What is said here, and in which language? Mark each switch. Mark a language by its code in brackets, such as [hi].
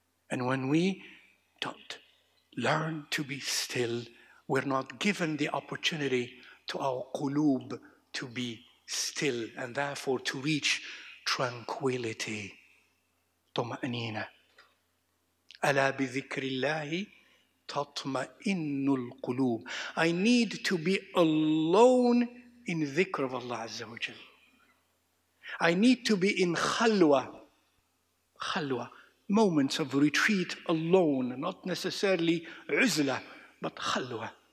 [en] And when we don't learn to be still, we're not given the opportunity to our qulub to be still, and therefore to reach tranquility. [ar] طمأنينة. ألا بذكر الله تطمئن القلوب. [en] I need to be alone in dhikr of Allah Azza wa Jal. I need to be in khalwa. Khalwa. Moments of retreat alone, not necessarily uzla, but khalwa.